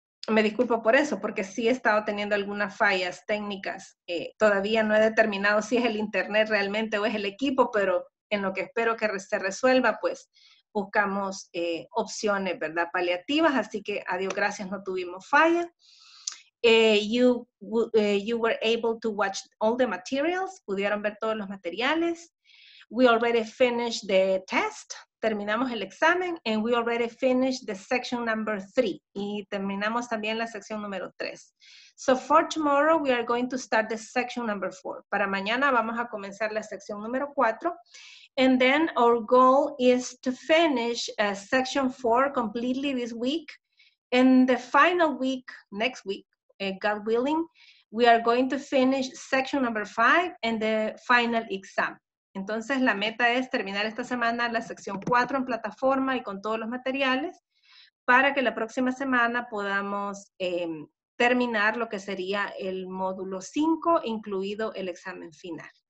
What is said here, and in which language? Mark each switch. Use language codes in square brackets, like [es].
[es] me disculpo por eso, porque sí he estado teniendo algunas fallas técnicas. Todavía no he determinado si es el internet realmente o es el equipo, pero en lo que espero que se resuelva, pues buscamos opciones, ¿verdad? Paliativas, así que a Dios gracias no tuvimos falla. [en] You were able to watch all the materials, [es] pudieron ver todos los materiales. [en] We already finished the test, [es] terminamos el examen, [en] and we already finished the section number 3, [es] y terminamos también la sección número 3. [en] So for tomorrow, we are going to start the section number 4. [es] Para mañana vamos a comenzar la sección número 4. [en] And then our goal is to finish section 4 completely this week. In the final week, next week, God willing, we are going to finish section number 5 and the final exam. [es] Entonces, la meta es terminar esta semana la sección 4 en plataforma y con todos los materiales para que la próxima semana podamos terminar lo que sería el módulo 5, incluido el examen final.